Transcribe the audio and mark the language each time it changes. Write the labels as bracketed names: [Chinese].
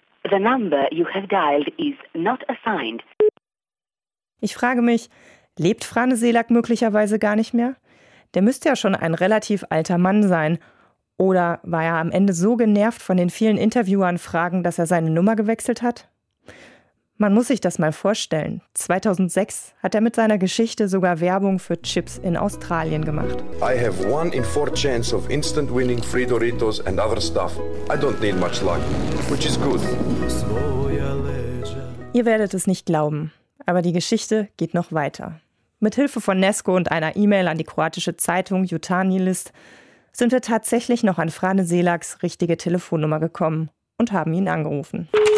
[English] The number you have dialed is not assigned. [German] Ich frage mich, lebt Frane Selak möglicherweise gar nicht mehr? Der müsste ja schon ein relativ alter Mann sein. Oder war er am Ende so genervt von den vielen Interviewern Fragen, dass er seine Nummer gewechselt hat? Man muss sich das mal vorstellen. 2006 hat er mit seiner Geschichte sogar Werbung für Chips in Australien gemacht. [English] I have one in four chance of instant winning free Doritos and other stuff. I don't need much luck, which is good. [German] Ihr werdet es nicht glauben, aber die Geschichte geht noch weiter. Mit Hilfe von Nesko und einer E-Mail an die kroatische Zeitung Jutarnji List sind wir tatsächlich noch an Frane Selaks richtige Telefonnummer gekommen und haben ihn angerufen.